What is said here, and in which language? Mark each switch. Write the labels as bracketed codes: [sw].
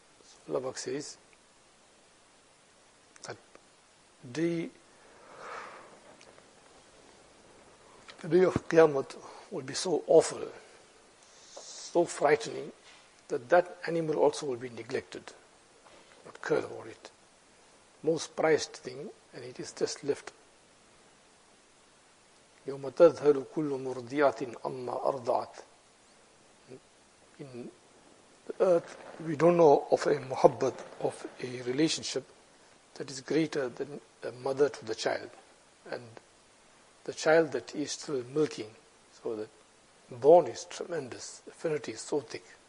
[en] So Allah Pak says, The day of Qiyamah will be so awful, so frightening, that animal also will be neglected, not cared about it. Most prized thing, and it is just left. [ar] يَوْمَ تَذْهَلُ كُلُّ مُرْضِيَةٍ أَمَّا أَرْضَعَتْ. [en] In the earth, we don't know of a muhabbat, of a relationship, that is greater than a mother to the child. And the child that is still milking, so that bond is tremendous, affinity is so thick.